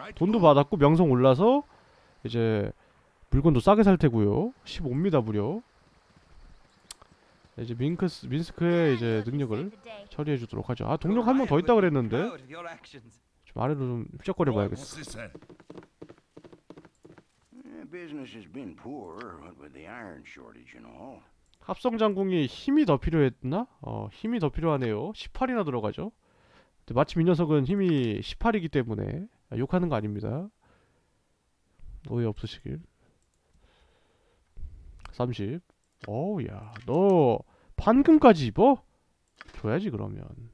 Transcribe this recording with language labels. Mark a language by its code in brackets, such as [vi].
[ko] 돈도 받았고 명성 올라서 이제 물건도 싸게 살 테고요. 15입니다 무려. 이제 민스크의 이제 능력을 처리해 주도록 하죠. 아, 동력 한 명 더 있다 그랬는데. 좀 아래로 좀 휘적거려 봐야겠어. [en] Business has been poor with the iron shortage and all. [ko] 합성 장궁이 힘이 더 필요했나? 힘이 더 필요하네요. 18이나 들어가죠. 근데 마침 이 녀석은 힘이 18이기 때문에 욕하는 거 아닙니다. 오해 없으시길. 30. 오우야, 너 반금까지 입어? 줘야지 그러면.